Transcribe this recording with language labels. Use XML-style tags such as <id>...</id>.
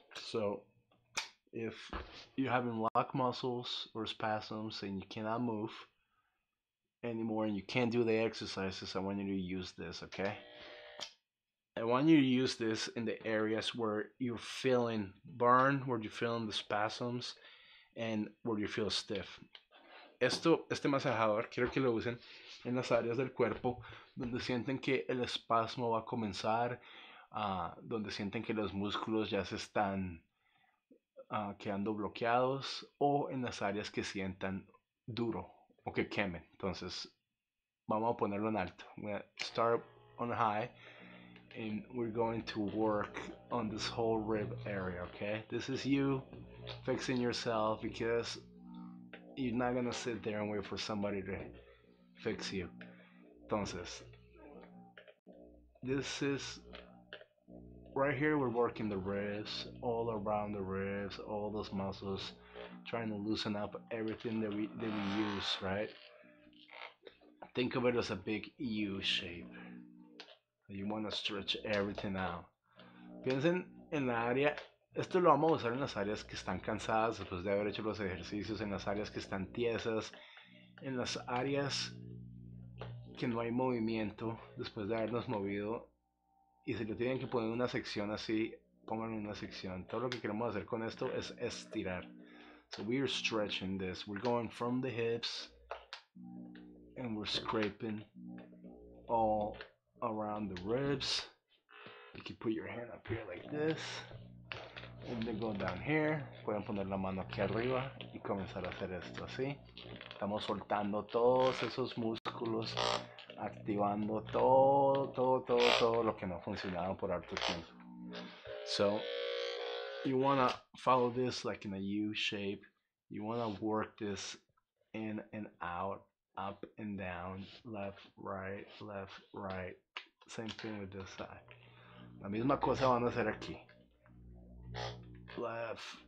<en>So, if you're having locked muscles or spasms and you cannot move anymore and you can't do the exercises, I want you to use this, okay? I want you to use this in the areas where you're feeling burn, where you're feeling the spasms, and where you feel stiff.</en> <es>Este masajador, quiero que lo usen en las áreas del cuerpo donde sienten que el espasmo va a comenzar. Donde sienten que los músculos ya se están quedando bloqueados, o en las áreas que sientan duro o que quemen. Entonces, vamos a ponerlo en alto.</es> <en>We're going to start on high and we're going to work on this whole rib area, okay? This is you fixing yourself because you're not going to sit there and wait for somebody to fix you. Entonces, this is right here, we're working the ribs, all around the ribs, all those muscles, trying to loosen up everything that we use, right? Think of it as a big U shape. You want to stretch everything out.</en> <es>Piensen en la área, esto lo vamos a usar en las áreas que están cansadas después de haber hecho los ejercicios, en las áreas que están tiesas, en las áreas que no hay movimiento después de habernos movido. Y si le tienen que poner una sección así, pongan una sección. Todo lo que queremos hacer con esto es estirar.</es> <en>So we are stretching this. We're going from the hips. And we're scraping all around the ribs. You can put your hand up here like this. And then go down here.</en> <es>Pueden poner la mano aquí arriba y comenzar a hacer esto así. Estamos soltando todos esos músculos. Activando todo lo que no ha funcionado por harto tiempo. So,</es> <en>you want to follow this like in a U shape. You want to work this in and out, up and down, left, right, left, right. Same thing with this side.</en> <es>La misma cosa van a hacer aquí.</es> <en>Left.</en>